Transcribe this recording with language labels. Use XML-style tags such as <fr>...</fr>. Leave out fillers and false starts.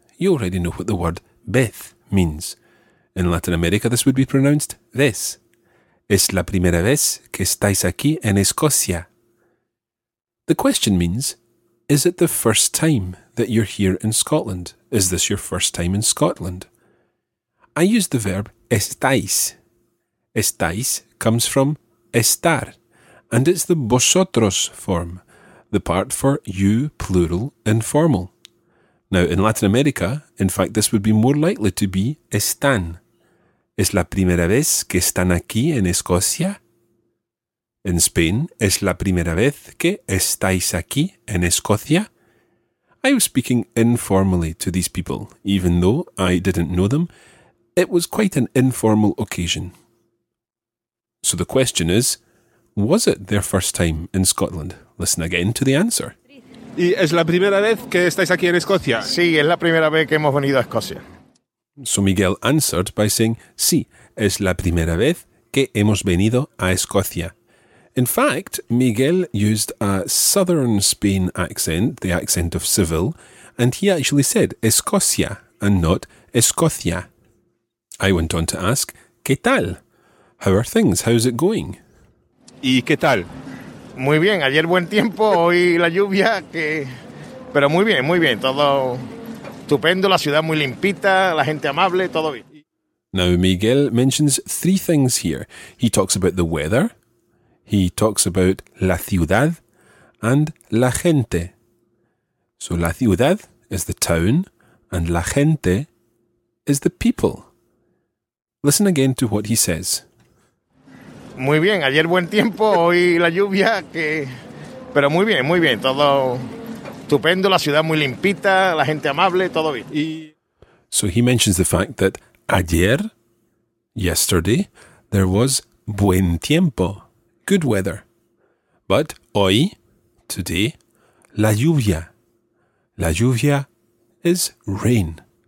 <en>You already know what the word vez means. In Latin America, this would be pronounced this.</en> <es>Es la primera vez que estáis aquí en Escocia.</es> <en>The question means, is it the first time that you're here in Scotland? Is this your first time in Scotland? I use the verb estáis. Estáis comes from estar, and it's the vosotros form, the part for you plural informal. Now, in Latin America, in fact, this would be more likely to be están.</en> <es>¿Es la primera vez que están aquí en Escocia?</es> <en>In Spain,</en> <es>¿es la primera vez que estáis aquí en Escocia?</es> <en>I was speaking informally to these people, even though I didn't know them. It was quite an informal occasion. So the question is, was it their first time in Scotland? Listen again to the answer.</en> <es>¿Y es la primera vez que estáis aquí en Escocia? Sí, es la primera vez que hemos venido a Escocia.</es> <en>So Miguel answered by saying,</en> <es>sí, es la primera vez que hemos venido a Escocia.</es> <en>In fact, Miguel used a southern Spain accent, the accent of Seville, and he actually said Escocia and not Escocia. I went on to ask,</en> <es>¿qué tal?</es> <en>How are things? How's it going?</en> <es>¿Y qué tal? Muy bien, ayer buen tiempo, hoy la lluvia, que... pero muy bien, todo estupendo, la ciudad muy limpita, la gente amable, todo bien.</es> <en>Now Miguel mentions three things here. He talks about the weather, he talks about la ciudad and la gente. So la ciudad is the town and la gente is the people. Listen again to what he says.</en> <es>Muy bien, ayer buen tiempo, hoy la lluvia, que... pero muy bien, todo estupendo, la ciudad muy limpita, la gente amable, todo bien. Y...</es> <en>So he mentions the fact that ayer, yesterday, there was buen tiempo, good weather. But hoy, today, la lluvia is rain.</en>